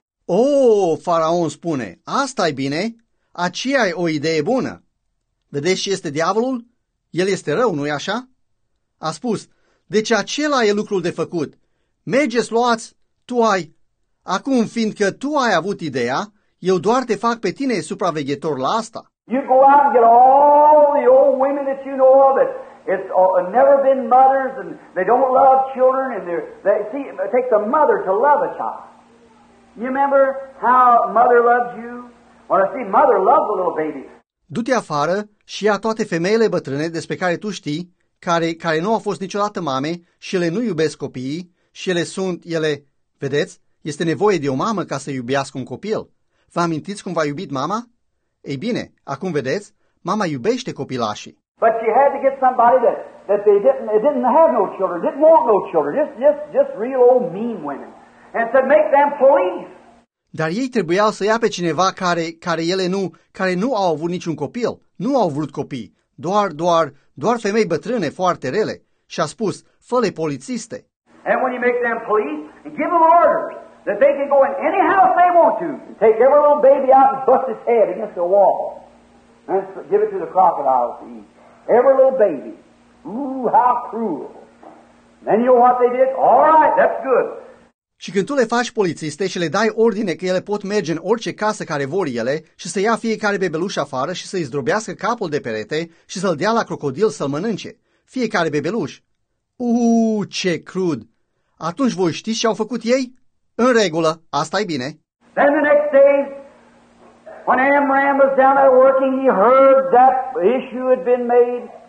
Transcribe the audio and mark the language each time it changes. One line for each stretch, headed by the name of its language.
Romanian: Oh, Faraon spune, asta-i bine, aceea e o idee bună. Vedeți ce este diavolul? El este rău, nu-i așa? A spus, deci acela e lucrul de făcut. Mergeți, luați, tu ai. Acum, fiindcă tu ai avut ideea, eu doar te fac pe tine supraveghetor la asta.
English: You go out and get all the old women that you know of, that it's never been mothers, and they don't love children, and see, it takes a mother to love a child. You remember how mother loves you? Well, see, mother loves a little baby.
Romanian: Du-te afară și ia toate femeile bătrâne despre care tu știi, care nu au fost niciodată mame și ele nu iubesc copiii și ele, vedeți, este nevoie de o mamă ca să iubească un copil. Vă amintiți cum v-a iubit mama? Ei bine, acum vedeți, mama iubește copilașii.
English: But she had to get somebody that they didn't have no children, didn't want no children, just real old mean women. And said, make them police.
Romanian: Dar ei trebuiau să ia pe cineva care nu au avut niciun copil, nu au vrut copii, doar femei bătrâne foarte rele. Și a spus, fă-le polițiste.
English: And when you make them police, give them orders that they can go in any house they want to, and take every little baby out and bust its head against the wall, and give it to the crocodiles to eat. Every little baby. Ooh, how cruel. Then you know what they did? All right, that's good.
Romanian: Și când tu le faci polițiste și le dai ordine că ele pot merge în orice casă care vor ele și să ia fiecare bebeluș afară și să-i zdrobească capul de perete și să-l dea la crocodil să-l mănânce, fiecare bebeluș. Ce crud! Atunci voi știți ce au făcut ei? În regulă, asta e bine.
English: Then the next day, when Amram was down there working, he heard that issue had been made.